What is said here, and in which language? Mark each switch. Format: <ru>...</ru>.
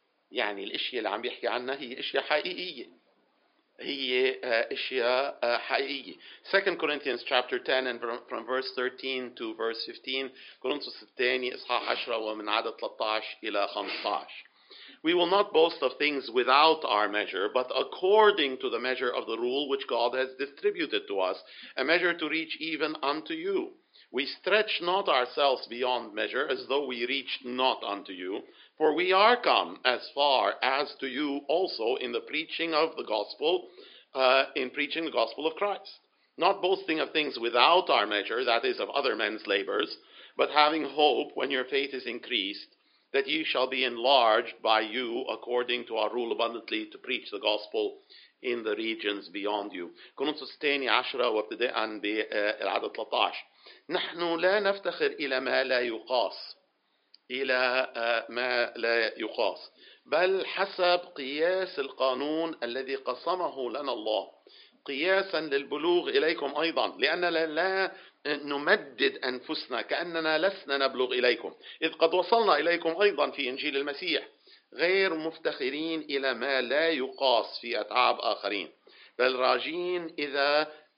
<ar>يعني الأشياء اللي عم بيحكي عنها هي أشياء حقيقية. هي أشياء حقيقية.</ar> <en>2 Corinthians chapter 10 and from verse 13 to verse 15.</en> <ar>كورنثوس الثاني إصحاح 10 ومن عدد 13 إلى 15.</ar> <en>We will not boast of things without our measure, but according to the measure of the rule which God has distributed to us, a measure to reach even unto you. We stretch not ourselves beyond measure, as though we reached not unto you, for we are come as far as to you also in the preaching of the gospel, in preaching the gospel of Christ. Not boasting of things without our measure, that is, of other men's labors, but having hope when your faith is increased, that ye shall be enlarged by you according to our rule abundantly to preach the gospel in the regions beyond you.</en> <ar>كنصص تاني عشرة وابتداء بالعدد 13. نحن لا نفتخر إلى ما لا يقاس. بل حسب قياس القانون الذي قسمه لنا الله قياسا للبلوغ إليكم أيضا، لأننا لا نمدد أنفسنا كأننا لسنا نبلغ إليكم، إذ قد وصلنا إليكم أيضا في إنجيل المسيح غير مفتخرين إلى ما لا يقاس في أتعاب آخرين، بل راجين إذا</ar>